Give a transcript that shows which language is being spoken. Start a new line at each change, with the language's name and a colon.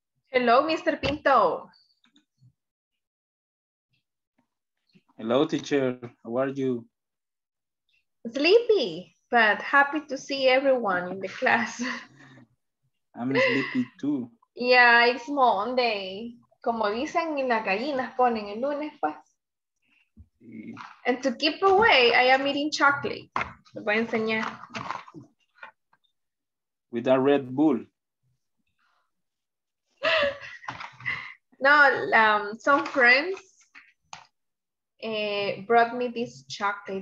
English: Hello, Mr. Pinto. Hello, teacher. How are you? Sleepy, but happy to see everyone in the class. I'm sleepy too. Yeah, it's Monday.
Spanish: Como dicen, las gallinas ponen el lunes, pues.
English: And to keep away, I am eating chocolate.
Spanish: Me voy a enseñar.
English: With a Red Bull. No, some friends brought me this chocolate.